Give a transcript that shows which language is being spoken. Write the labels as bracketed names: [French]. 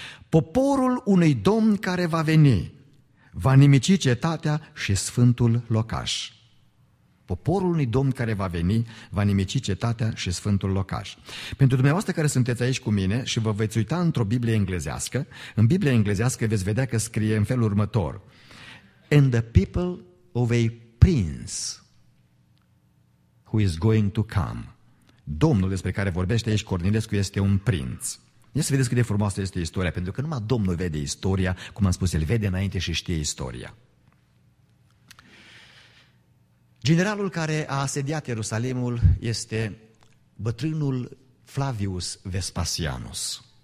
[Romanian] Poporul unui domn care va veni va nimici cetatea și sfântul locaș. Poporul unui domn care va veni va nimici cetatea și sfântul locaș. Pentru dumneavoastră care sunteți aici cu mine și vă veți uita într-o Biblie englezească, în Biblia englezească veți vedea că scrie în felul următor. [English] And the people of a prince who is going to come. [Romanian] Domnul despre care vorbește aici Cornilescu este un prinț. Ia să vedeți cât de frumoasă este istoria, pentru că numai Domnul vede istoria, cum am spus, El vede înainte și știe istoria. Generalul care a asediat Ierusalimul este bătrânul Flavius Vespasianus.